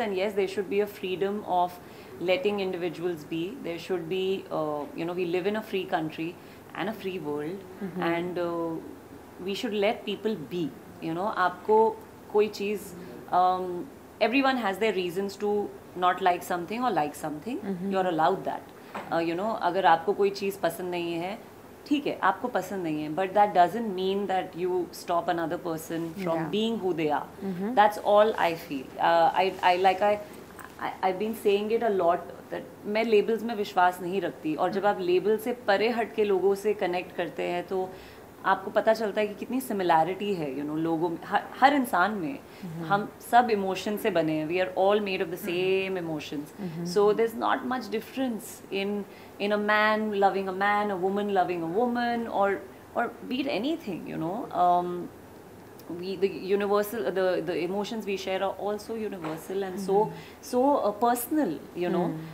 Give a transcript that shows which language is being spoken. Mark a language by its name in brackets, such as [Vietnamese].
[English] And yes, there should be a freedom of letting individuals be. There should be, you know, we live in a free country and a free world. Mm-hmm. And we should let people be, you know. [Hindi] Aapko koi cheez, [English] everyone has their reasons to not like something or like something. Mm-hmm. You're allowed that. You know, [Hindi] agar aapko koi cheez pasand nahi hai, [English] theek hai, aapko pasand nahi hai, but that doesn't mean that you stop another person from being who they are. Mm-hmm. That's all I feel. I've been saying it a lot, that [Hindi] मैं labels में विश्वास नहीं रखती. और जब आप label से परे हट के लोगों से कनेक्ट करते हैं, तो आपको पता चलता है कि कितनी सिमिलैरिटी है, यू नो, लोगों में, हर इंसान में. हम सब इमोशन से बने हैं. [English] We are all made of the same emotions. So there is not much difference in a man loving a man, a woman loving a woman, और beat anything, you know. We, the universal, the emotions we share are also universal and so personal, you know.